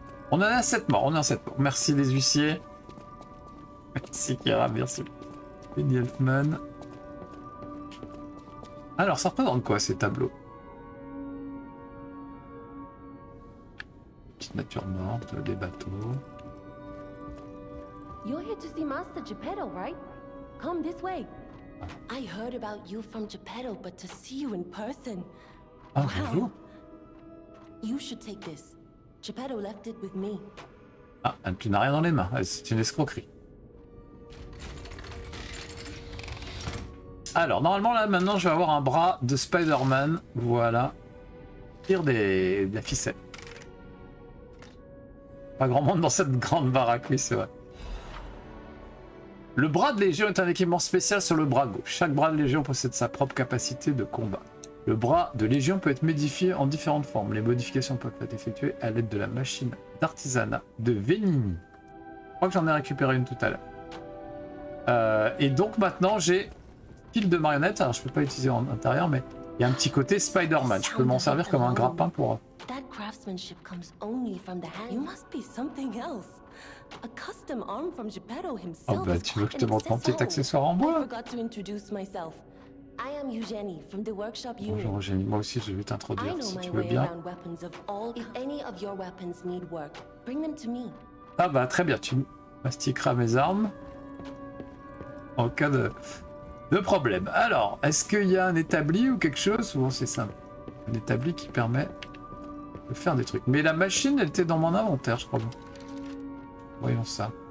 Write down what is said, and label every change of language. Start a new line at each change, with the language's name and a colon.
French: On en est à 7 morts, on est à 7 morts. Merci les huissiers. Merci Kira, merci. Lady Elfman. Alors ça représente quoi ces tableaux? Petite nature morte, des bateaux.
English: You're here to see Master Geppetto, right? Come this way. I heard about you from Geppetto, but to see you in person.
French: Ah, wow. Bonjour.
English: You should take this. Geppetto left it with me.
French: Ah, elle, tu n'as rien dans les mains. C'est une escroquerie. Alors, normalement, là, maintenant, je vais avoir un bras de Spider-Man. Voilà. Tire de la ficelle. Pas grand monde dans cette grande baraque, oui, c'est vrai. Le bras de Légion est un équipement spécial sur le bras gauche. Chaque bras de Légion possède sa propre capacité de combat. Le bras de Légion peut être modifié en différentes formes. Les modifications peuvent être effectuées à l'aide de la machine d'artisanat de Venini. Je crois que j'en ai récupéré une tout à l'heure. Et donc maintenant j'ai pile de marionnettes. Alors je peux pas l'utiliser en intérieur, mais il y a un petit côté Spider-Man. Je peux m'en servir comme un grappin pour...
English: That craftsmanship comes only from the hand. You must be something else. A custom arm from Geppetto himself.
French: Oh bah tu veux que je te montre un petit accessoire en bois?
English: I forgot to introduce myself. I am Eugenie from the workshop unit.
French: Bonjour Eugenie, moi aussi je vais t'introduire si tu veux bien.
English: If any of your weapons need work, bring them to me.
French: Ah bah très bien, tu mastiqueras mes armes en cas de problème. Alors, est-ce qu'il y a un établi ou quelque chose? Souvent c'est simple. Un établi qui permet de faire des trucs. Mais la machine, elle était dans mon inventaire, je crois. Voyons ça.